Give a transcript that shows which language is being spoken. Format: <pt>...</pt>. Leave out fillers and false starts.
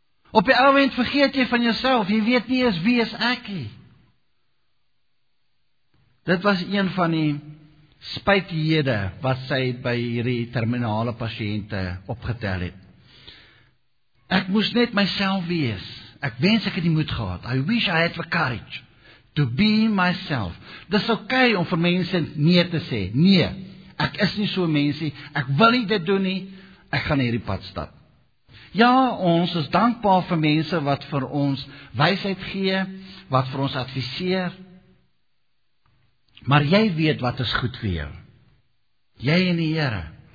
<af>Op die ou end vergeet jy van jouself, jy weet nie eens wie is ek nie. Dit was een van die spytjiede wat sy by hierdie terminale pasiënte opgetel het. Ek moes net myself wees. Ek wens ek het die moed gehad.</af> <en>I wish I had the courage to be myself.</en> <af>Dis okay om vir mense nee te sê. Nee. Ek is nie so mensie, ek wil nie dit doen nie, ek gaan hierdie pad stap. Ja, ons is dankbaar vir mense wat vir ons wysheid gee, wat vir ons adviseer. Maar jy weet wat is goed vir jou. Jy en die Here.</af>